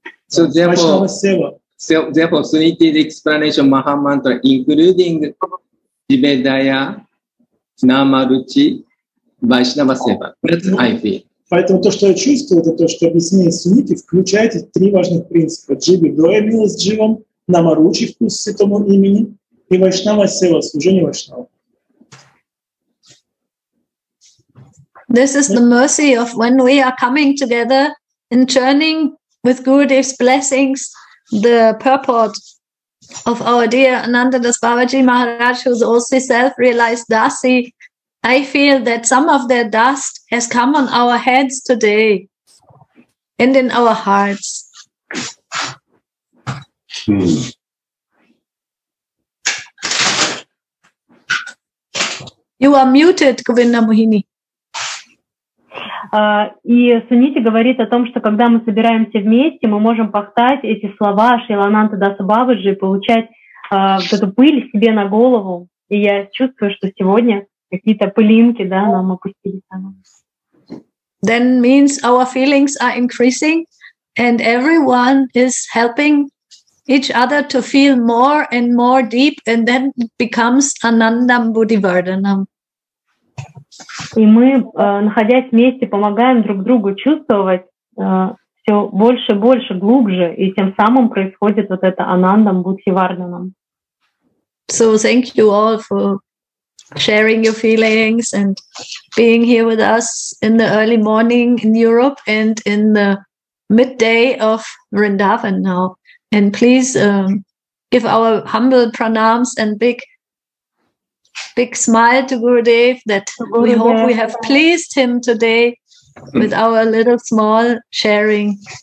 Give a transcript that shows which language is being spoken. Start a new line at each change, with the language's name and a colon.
English: So therefore, Sunita's explanation Maha Mantra, including Jivedaya, Namaruchi, Vaishnava Seva. That's I feel.
Russian: Поэтому то, что я чувствую, это то, что объясняет Суниты, включает эти три важных принципа. Джиби, доя милость Дживам, Намаручи, вкус святому имени, и Вайшнава Сева, служение Вайшнава.
English: This is the mercy of when we are coming together and churning with Gurudev's blessings the purport of our dear Anandadas Babaji Maharaj, who's also self-realized Dasi. I feel that some of that dust has come on our heads today and in our hearts. You are muted, Govinda Mohini.
Russian: И Сунити говорит о том, что когда мы собираемся вместе, мы можем повторять эти слова Шрила Ананта Даса Бабаджи и получать вот эту пыль себе на голову. И я чувствую, что сегодня какие-то пылинки, да, нам опустились.
English: Then means our feelings are increasing, and everyone is helping each other to feel more and more deep, and then it becomes Анандам Буддивардханам.
Russian: И мы, находясь вместе, помогаем друг другу чувствовать все больше и больше, глубже, и тем самым происходит вот это Анандам Буддхиварданам.
English: So thank you all for sharing your feelings and being here with us in the early morning in Europe and in the midday of Vrindavan now. And please give our humble pranams and big smile to Gurudev that we hope we have pleased him today with our little small sharing.